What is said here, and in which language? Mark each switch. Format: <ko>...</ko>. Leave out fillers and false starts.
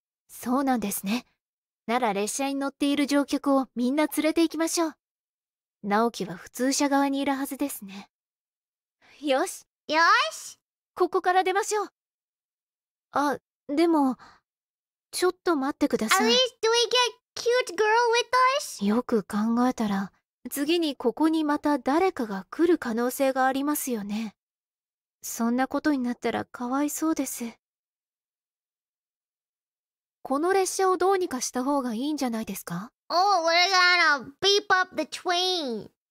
<ja>そうなんですね。なら列車に乗っている乗客をみんな連れて行きましょう。ナオキは普通車側にいるはずですね。よし。よし。ここから出ましょう。あ、でも、ちょっと待ってください。</ja> <en>At least do we get cute girl with us?</en> <ja>よく考えたら、次にここにまた誰かが来る可能性がありますよね。そんなことになったらかわいそうです。この列車をどうにかした方がいいんじゃないですか？</ja> <en>Oh, we're gonna beep up the train!</en>